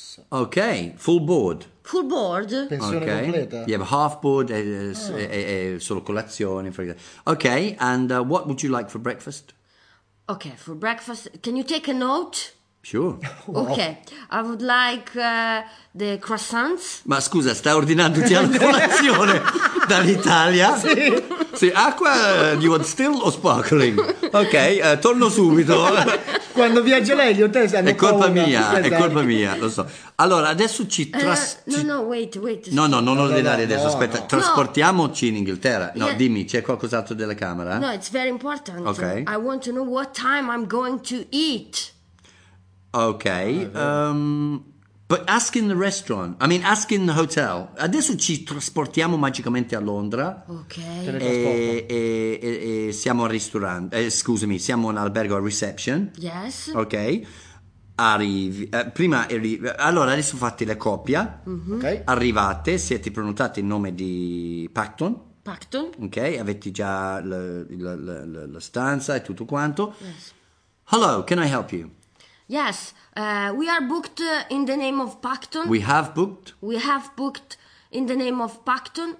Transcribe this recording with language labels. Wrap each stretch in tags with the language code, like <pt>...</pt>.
<en>Okay, full board. Full board.</en> <it>Pensione okay. Completa.</it> <en>You have a half board</en> <it>solo colazione,</it> <en>for example. Okay, and what would you like for breakfast? Okay, for breakfast, can you take a note? Sure. Okay, I would like the croissants.</en> <it>Ma scusa, sta ordinando già la colazione dall'Italia? Sì. Sì, acqua,</it> <en>you want still or sparkling? Okay,</en> <it>torno subito. Quando viaggia lei, gli hotel è colpa mia, è colpa mia, lo so. Allora, adesso ci</it> <en>No, no, wait.</en> <it>No, no, non ordinare adesso, aspetta. No. Trasportiamoci in Inghilterra.</it> <en>No, yeah.</en> <it>Dimmi, c'è qualcos'altro della camera?</it> <en>No, it's very important. Okay. I want to know what time I'm going to eat. Okay, but ask in the restaurant, I mean ask in the hotel.</en> <it>Adesso ci trasportiamo magicamente a Londra. Ok. E siamo al ristorante, scusami, siamo in albergo a reception.</it> <en>Yes.</en> <it>Ok, arrivi, prima arrivi, allora adesso fatti la coppia. Okay. Arrivate, siete prenotati in nome di Pacton. Pacton. Ok, avete già la stanza e tutto quanto.</it> <en>Yes. Hello, can I help you? Yes, we are booked in the name of Pacton. We have booked. We have booked in the name of Pacton.</en>